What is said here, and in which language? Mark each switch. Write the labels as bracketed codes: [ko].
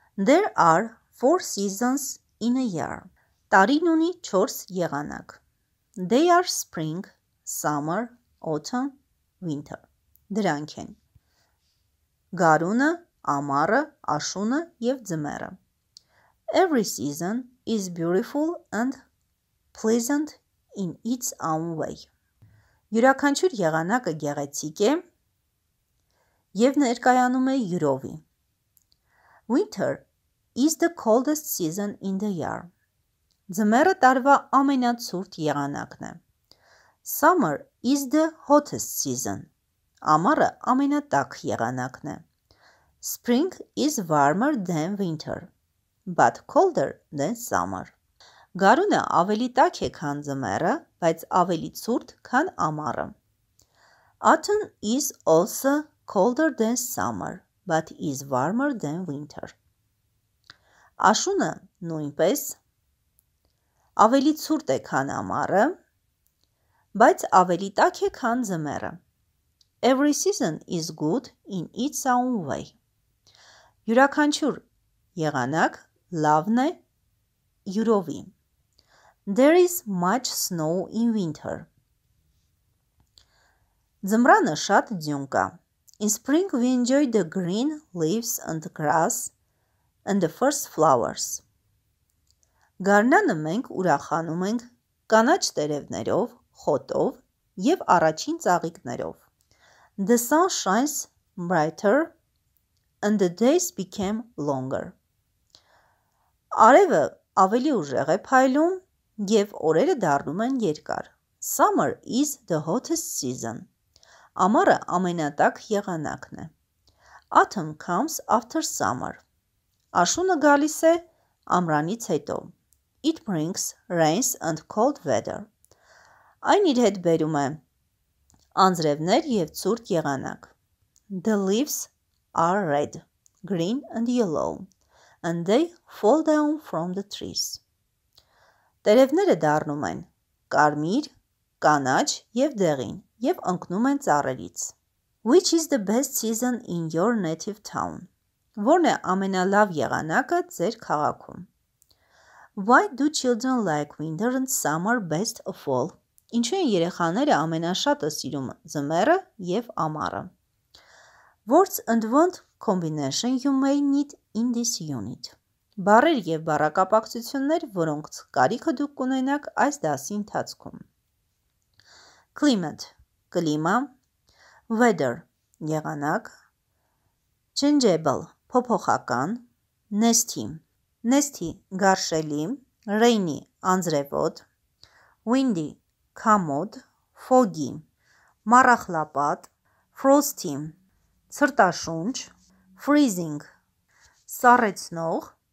[en] There are 4 seasons in a year. [hy] Տարին ունի 4 եղանակ. [en] They are spring, summer, autumn, winter. [hy] Դրանք են. Գարունը, ամառը, աշունը եւ ձմեռը. [en] Every season is beautiful and pleasant in its own way. [hy] Յուրաքանչյուր եղանակը գեղեցիկ է եւ ներկայանում է յուրովի. [en] Winter is the coldest season in the year. [hy] Ձմեռը տարվա ամենացուրտ եղանակն է. [en] Summer is the hottest season. [hy] Ամառը ամենատաք եղանակն է. [en] Spring is warmer than winter, but colder than summer. [hy] Գարունը ավելի տաք է, քան ձմեռը, բայց ավելի ցուրտ, քան ամառը. [en] Autumn is also colder than summer, but is warmer than winter. [hy] Աշունը նույնպես ավելի ցուրտ է, քան ամառը, բայց ավելի տաք է, քան ձմեռը. [en] Every season is good in its own way. [hy] Յուրաքանչյուր եղանակ լավն է յուրովի. [en] There is much snow in winter. [hy] Ձմռանը շատ ձյուն կա. [en] In spring we enjoy the green leaves and grass and the first flowers. [hy] Գարնանը մենք ուրախանում ենք կանաչ տերևներով, խոտով եւ առաջին ծաղիկներով. [en] The sun shines brighter and the days became longer. [hy] Արևը ավելի ուժեղ է փայլում եւ օրերը դառնում են երկար. [en] Summer is the hottest season. [hy] Ամառը ամենատաք եղանակն է. [en] Autumn comes after summer. [hy] Աշունը գալիս է ամռանից հետո. [en] It brings rains and cold weather. [hy] Այն իր հետ բերում է անձրևներ եւ ցուրտ եղանակ. [en] The leaves are red, green and yellow, and they fall down from the trees. [hy] Տերևները դառնում են կարմիր, կանաչ եւ դեղին եւ ընկնում են ծառերից. [en] Which is the best season in your native town? [hy] Որն է ամենալավ եղանակը ձեր քաղաքում? [en] Why do children like winter and summer best of all? [hy] Ինչու են երեխաները ամենաշատը սիրում ձմեռը եւ ամառը? [en] Words and want combination you may need in this unit. [hy] Բառեր եւ բառակապակցություններ, որոնց կարիքը դուք կունենաք այս դասի ընթացքում. [en] Climate կլիմա, weather եղանակ, changeable փոփոխական, nesty գարշելի, rainy անձրևոտ, windy քամոտ, foggy մառախլապատ, frosty ցրտաշունչ, freezing սառեցնող,